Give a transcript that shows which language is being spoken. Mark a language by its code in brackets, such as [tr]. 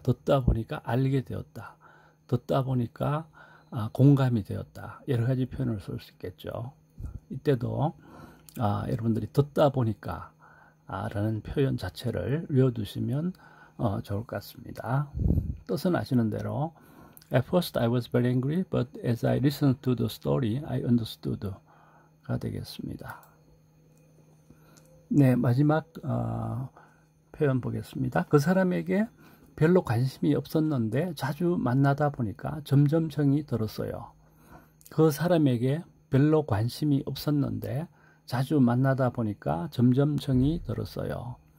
[ko] 듣다 보니까 알게 되었다. 듣다 보니까 공감이 되었다. 여러 가지 표현을 쓸수 있겠죠. 이때도 여러분들이 듣다 보니까 라는 표현 자체를 외워두시면 좋을 것 같습니다. 뜻은 아시는 대로 [en] At first, I was very angry, but as I listened to the story, I understood가 [ko] 되겠습니다. 네, 마지막 표현 보겠습니다. 그 사람에게 별로 관심이 없었는데 자주 만나다 보니까 점점 정이 들었어요. 그 사람에게 별로 관심이 없었는데 자주 만나다 보니까 점점 정이 들었어요.